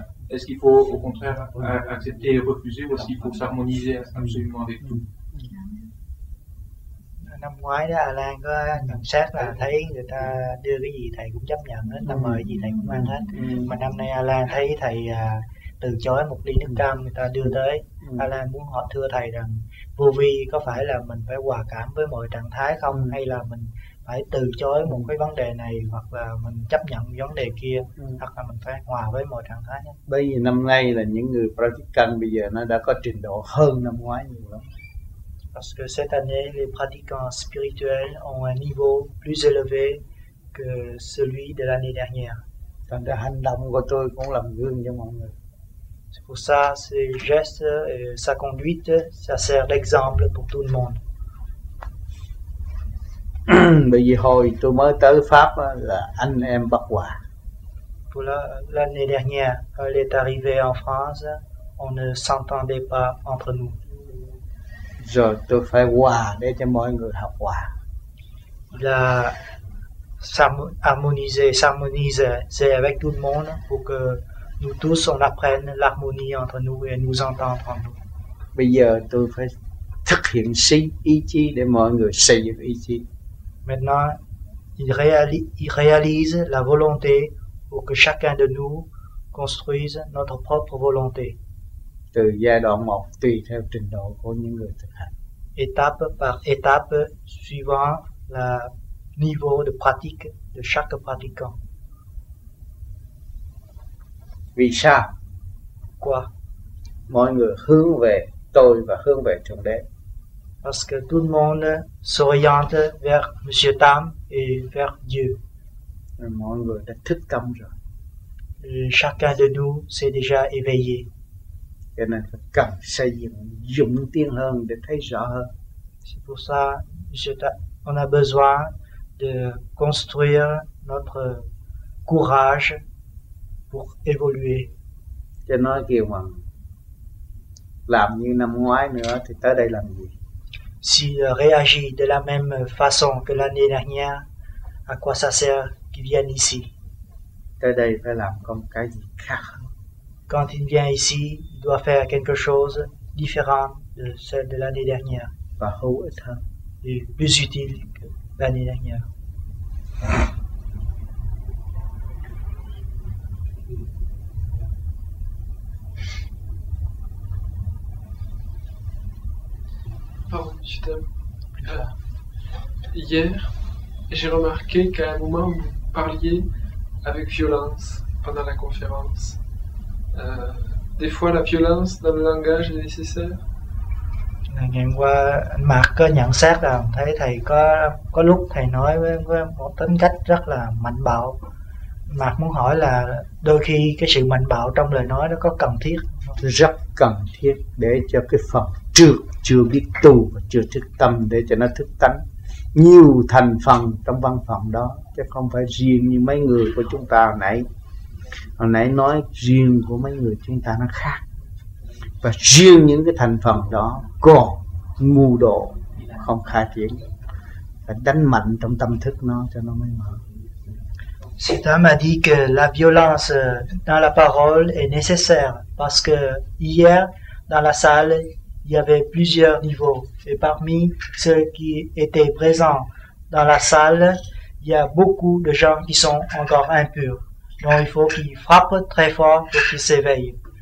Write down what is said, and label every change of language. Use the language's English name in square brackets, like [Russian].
[French] Est-ce qu'il faut, au contraire, accepter et refuser, ou est-ce qu'il faut s'harmoniser absolument avec tout? [Vietnamese] Năm ngoái đó Alan có nhận xét là thấy người ta đưa cái gì thầy cũng chấp nhận hết, ta mời gì thầy cũng ăn hết. Mà năm nay Alan thấy thầy từ chối một ly nước cam người ta đưa tới. Alan muốn hỏi thưa thầy rằng vô vi có phải là mình phải hòa cảm với mọi trạng thái không, hay là mình phải từ chối một cái vấn đề này, hoặc là mình chấp nhận vấn đề kia, hoặc là mình phải hòa với mọi trạng thái nhé. Bởi vì năm nay là những người practicant bây giờ nó đã có trình độ hơn năm ngoái nhiều lắm. [French] Parce que cette année, les pratiquants spirituels ont un niveau plus élevé que celui de l'année dernière. Dans les [Vietnamese] hành động của tôi cũng làm gương cho mọi người. [French] C'est pour ça, ses gestes et sa conduite, ça sert d'exemple pour tout le monde. [Vietnamese] Bởi vì hồi tôi mới tới Pháp là anh em bất hòa. [French] Pour l'année dernière, elle est arrivée en France, on ne s'entendait pas entre nous. [Vietnamese] Rồi tôi phải hòa để cho mọi người học hòa. [French] Là s'harmoniser avec tout le monde pour que nous tous on apprenne l'harmonie entre nous et nous entendre entre nous. [Vietnamese] Bây giờ tôi phải thực hiện si ý chí để mọi người xây dựng ý chí. [French] Maintenant, il réalise la volonté pour que chacun de nous construise notre propre volonté. [Vietnamese] Từ giai đoạn một tùy theo trình độ của những người thực hành. [French] Étape par étape suivant le niveau de pratique de chaque pratiquant. [Vietnamese] Vì sao? [French] Quoi? [Vietnamese] Mọi người hướng về tôi và hướng về Thượng Đế. [French] Parce que tout le monde s'oriente vers Monsieur Tam et vers Dieu. Et [Vietnamese] mọi người đã thức tâm rồi. [French] Et chacun de nous s'est déjà éveillé. [Vietnamese] Cho nên phải cần xây dựng dũng tiến hơn để thấy rõ hơn. [French] C'est pour ça qu'on a besoin de construire notre courage pour évoluer. [Vietnamese] Cho nó kêu bằng làm như năm ngoái nữa thì tới đây làm gì? [French] S'il réagit de la même façon que l'année dernière, à quoi ça sert qu'il vienne ici? [Vietnamese] Tới đây phải làm comme cái gì khác. [French] Quand il vient ici, il doit faire quelque chose différent de celle de l'année dernière. Và hữu ích hơn. Et plus utile que l'année dernière. Pardon, je t'aime. Hier, j'ai remarqué qu'à un moment où vous parliez avec violence pendant la conférence, des fois la violence dans le langage est nécessaire. [Vietnamese] Ngày qua Mark có nhận xét là thấy thầy có lúc thầy nói với một tính cách rất là mạnh bạo. Mark muốn hỏi là đôi khi cái sự mạnh bạo trong lời nói nó có cần thiết không? Rất cần thiết để cho cái phần trược chưa biết tu và chưa thức tâm để cho nó thức tánh. Nhiều thành phần trong văn phòng đó chứ không phải riêng như mấy người của chúng ta hồi nãy nói riêng của mấy người chúng ta nó khác. Và riêng những cái thành phần đó còn ngu độ, không khai triển, phải đánh mạnh trong tâm thức nó cho nó mới mở. [French] Sita m'a dit que la violence dans la parole est nécessaire parce que hier dans la salle il y avait plusieurs niveaux et parmi ceux qui étaient présents dans la salle il y a beaucoup de gens qui sont encore impurs donc il faut qu'ils frappent très fort pour qu'ils s'éveillent.